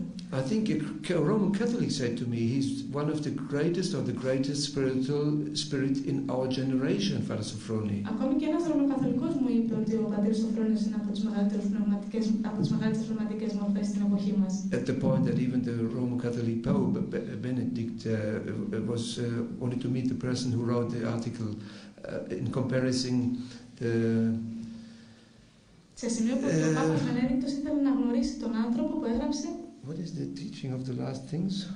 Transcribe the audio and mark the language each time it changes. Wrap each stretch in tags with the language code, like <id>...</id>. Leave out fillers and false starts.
<en>I think a Roman Catholic said to me, he's one of the greatest of the greatest spiritual spirit in our generation, Father Sofroni.</en> <el>Ακόμη και ένας Ρωμαίος Καθολικός μου είπε ότι ο πατήρς Σοφρόνης είναι από τις μεγαλύτερες πνευματικές μορφές στην εποχή μας.</el> <en>At the point that even the Roman Catholic Pope Benedict was wanted to meet the person who wrote the article in comparison the.</en> <el>Σε σημείο που ο Πάπας Μενέδικτος ήθελε να γνωρίσει τον άνθρωπο που έγραψε.</el> <en>What is the teaching of the last things?</en>